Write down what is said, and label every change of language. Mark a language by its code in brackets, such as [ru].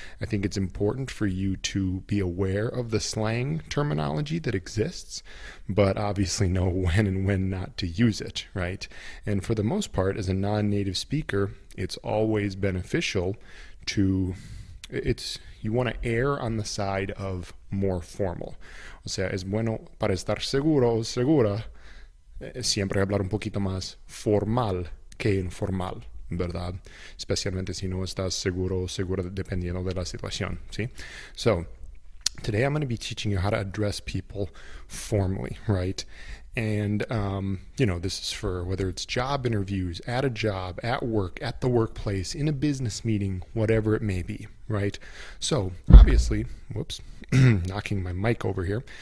[en] I think it's important for you to be aware of the slang terminology that exists, but obviously know when and when not to use it, right? And for the most part, as a non-native speaker, it's always beneficial to, you want to err on the side of more formal. [es] O sea, es bueno para estar seguro, segura, siempre hablar un poquito más formal que informal, ¿verdad? Especialmente si no estás seguro, segura, dependiendo de la situación, ¿sí? [en] So, today I'm going to be teaching you how to address people formally, right? And, you know, this is for whether it's job interviews, at a job, at work, at the workplace, in a business meeting, whatever it may be, right? So, obviously, whoops, knocking my mic over here.